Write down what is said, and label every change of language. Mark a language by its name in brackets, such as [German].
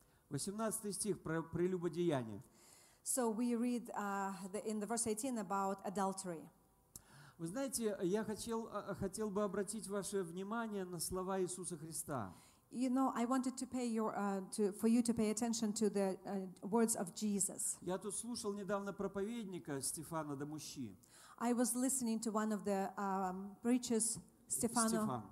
[Russian] 18 стих про прелюбодеяние. [English] So we read in the verse 18 about adultery. [Russian] Вы знаете, я хотел бы обратить ваше внимание на слова Иисуса Христа. [English] You know, I wanted to pay your for you to pay attention to the words of Jesus. [Russian] Я тут слушал недавно проповедника Стефана Дамущи. [English] I was listening to one of the preachers, Stefano.